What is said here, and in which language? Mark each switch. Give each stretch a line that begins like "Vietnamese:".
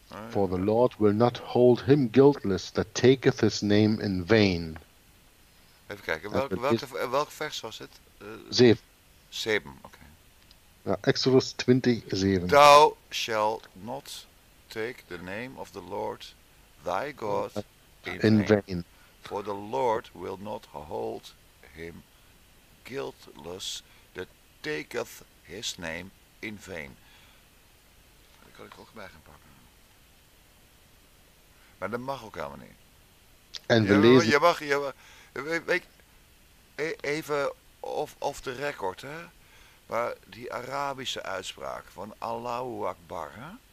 English: For the Lord will not hold him guiltless that taketh his name in vain.
Dutch: Even kijken, welk vers was het? 7. Okay. Ja, Exodus 20, 7.
English: Thou shalt not take the name of the Lord thy God in vain. For the Lord will not hold him guiltless that taketh his name in vain.
Dutch: Dat kan ik ook bij gaan pakken. Maar dat mag ook helemaal niet. En we lezen... Even off the record, hè. Maar die Arabische uitspraak van Allahu Akbar, hè.